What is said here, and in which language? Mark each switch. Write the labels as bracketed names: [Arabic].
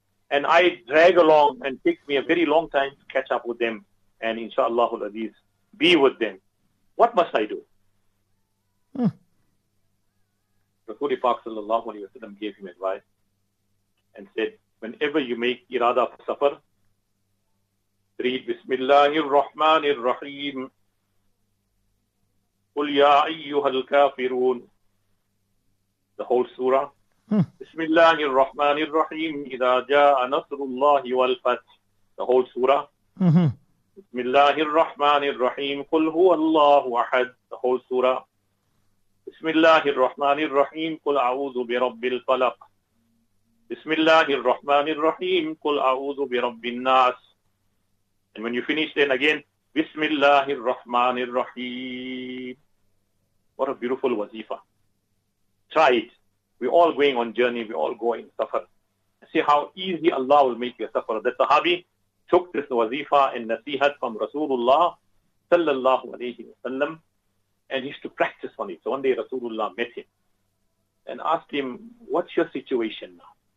[English] And I drag along and takes me a very long time to catch up with them and inshallah al-Aziz, be with them. What must I do? Rasul Pak sallallahu alayhi wa sallam gave him advice and said, whenever you make irada for safar, read [Arabic] Bismillahir Rahmanir Rahim. قُلْ يَا أَيُّهَا الْكَافِرُونَ [English] The whole surah. [Arabic] بسم الله الرحمن الرحيم إذا جاء نصر الله والفتح. [English] The whole surah. [Arabic] بسم الله الرحمن الرحيم قل هو الله أحد. [English] The whole surah. [Arabic] بسم الله الرحمن الرحيم قل أعوذ برب الفلق. بسم الله الرحمن الرحيم قل أعوذ برب الناس. [English] And when you finish then again, [Arabic] بسم الله الرحمن الرحيم. [English] What a beautiful wazifa. Try it. We're all going on journey. We all go in safar. See how easy Allah will make your safar. The sahabi took this wazifa and nasihat from Rasulullah sallallahu alayhi wa sallam, and he used to practice on it. So one day Rasulullah met him and asked him, what's your situation now?